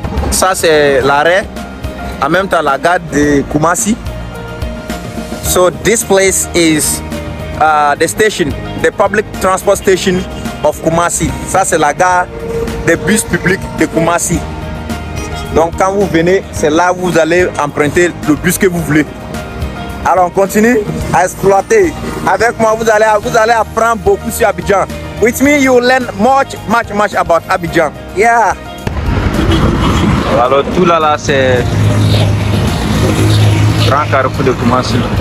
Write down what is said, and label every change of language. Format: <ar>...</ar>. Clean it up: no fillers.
<fr>Ça c'est l'arrêt, en même temps la gare de Kumasi.</fr> <en>So this place is the station, the public transport station of Kumasi.</en> <fr>Ça c'est la gare des bus publics de Kumasi. Donc quand vous venez, c'est là où vous allez emprunter le bus que vous voulez. Alors on continue à exploiter. Avec moi, vous allez apprendre beaucoup sur Abidjan.</fr> <en>With me, you will learn much about Abidjan. Yeah.</en> <fr>Alors tout là, c'est grand carrefour de Kumasi.</fr>